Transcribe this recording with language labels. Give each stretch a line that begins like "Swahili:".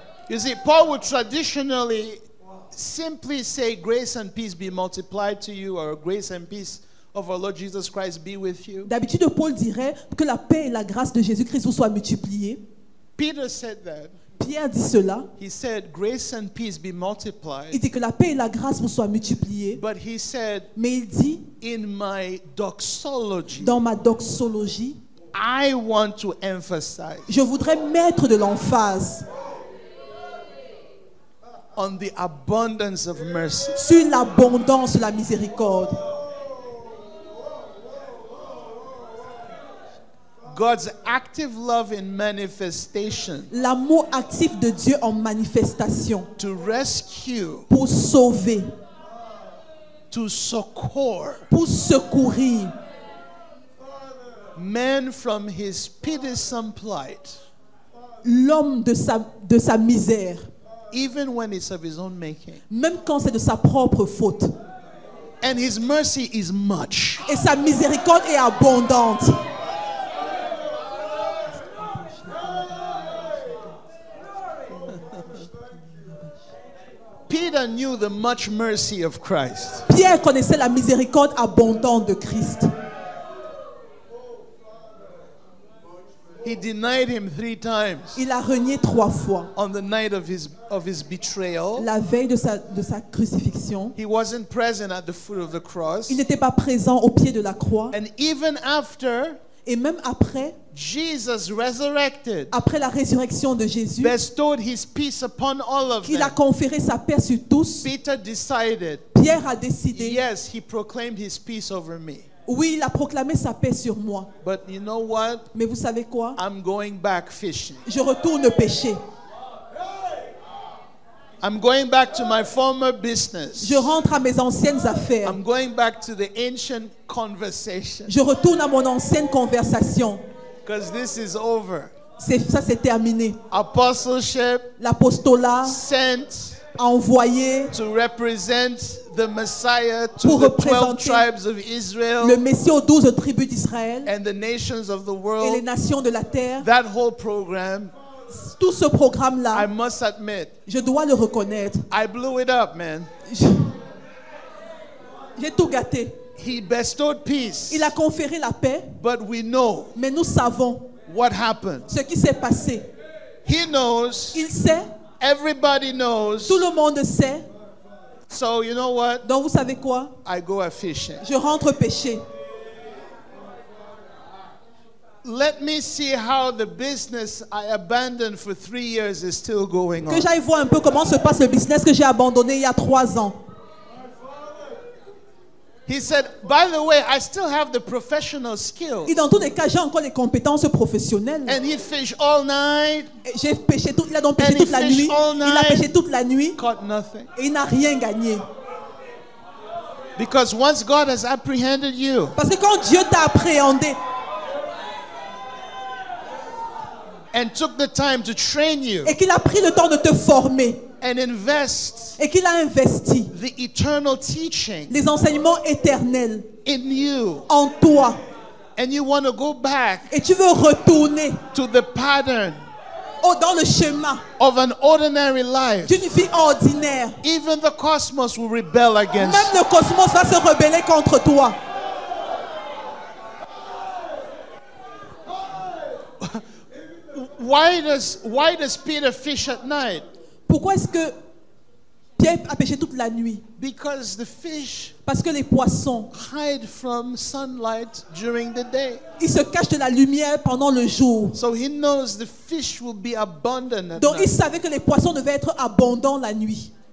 English: You see, Paul would traditionally simply say, "Grace and peace be multiplied to you," or "Grace and peace of our Lord Jesus Christ be with you."
French: D'habitude, Paul dirait que la paix et la grâce de Jésus Christ vous soient multipliées.
English: Peter said that.
French: Pierre dit cela.
English: He said, "Grace and peace be multiplied."
French: Il dit que la paix et la grâce vous soient multipliées.
English: But he said,
French: mais il dit,
English: in my doxology,
French: dans ma doxologie,
English: I want to emphasize,
French: je voudrais mettre de l'emphase,
English: on the abundance of mercy,
French: sur l'abondance de la miséricorde.
English: God's active love in manifestation.
French: L'amour actif de Dieu en manifestation.
English: To rescue.
French: Pour sauver.
English: To succor.
French: Pour secourir.
English: Man from his pitiful plight.
French: L'homme de sa misère.
English: Even when it's of his own making.
French: Même quand c'est de sa propre faute.
English: And his mercy is much.
French: Et sa miséricorde est abondante.
English: Peter knew the much mercy of Christ.
French: Pierre connaissait la miséricorde abondante de Christ.
English: He denied him three times.
French: Il a renié trois fois.
English: On the night of his betrayal.
French: La veille de sa crucifixion.
English: He wasn't present at the foot of the cross.
French: Il n'était pas présent au pied de la croix.
English: And even after.
French: Et même après,
English: Jesus resurrected,
French: après la résurrection de Jésus,
English: bestowed his peace upon all of them.
French: Il a conféré sa paix sur tous.
English: Peter decided,
French: Pierre a décidé.
English: Yes, he proclaimed his peace over me.
French: Oui, il a proclamé sa paix sur moi.
English: But you know what?
French: Mais vous savez quoi?
English: I'm going back fishing.
French: Je retourne pêcher.
English: I'm going back to my former business.
French: Je rentre à mes anciennes affaires.
English: I'm going back to the ancient conversation.
French: Je retourne à mon ancienne conversation.
English: Because this is over.
French: C'est terminé.
English: Apostleship.
French: L'apostolat.
English: Sent.
French: Envoyé.
English: To represent the Messiah to the 12 tribes of Israel.
French: Le Messie aux 12 tribus d'Israël.
English: And the nations of the world.
French: Et les nations de la terre.
English: That whole program.
French: Tout ce programme là,
English: I must admit,
French: je dois le reconnaître.
English: I blew it up, man.
French: J'ai tout gâté.
English: He bestowed peace.
French: Il a conféré la paix.
English: But we know.
French: Mais nous savons.
English: What happened?
French: Ce qui s'est passé.
English: He knows.
French: Il sait.
English: Everybody knows.
French: Tout le monde sait.
English: So you know what?
French: Donc vous savez quoi?
English: I go a fishing.
French: Je rentre pêcher.
English: Let me see how the business I abandoned for 3 years is still going on.
French: Que j'aille voir un peu comment se passe le business que j'ai abandonné il y a 3 ans.
English: He said, by the way, I still have the professional skills.
French: Et dans tous les cas, j'ai encore les compétences professionnelles.
English: And he fished all night.
French: J'ai pêché tout, il a donc pêché toute la nuit. Il a pêché toute la nuit.
English: Caught nothing.
French: Et il n'a rien gagné.
English: Because once God has apprehended you.
French: Parce que quand Dieu t'a appréhendé.
English: And took the time to train you.
French: Et qu'il a pris le temps de te former.
English: And invest.
French: Et qu'il a investi.
English: The eternal teaching.
French: Les enseignements éternels.
English: In you.
French: En toi.
English: And you want to go back.
French: Et tu veux retourner.
English: To the pattern.
French: Oh, dans le schéma.
English: Of an ordinary life.
French: D'une vie ordinaire.
English: Even the cosmos will rebel against.
French: Même le cosmos va se rebeller contre toi.
English: Why does Peter fish at night?
French: Pourquoi est-ce que Pierre a pêché toute la nuit?
English: Because the fish.
French: Parce que les poissons
English: hide from sunlight during the day.
French: Ils se cachent de la lumière pendant le jour.
English: So he knows the fish will be abundant at
French: Donc
English: night.
French: Il savait que les poissons devaient être abondants la nuit.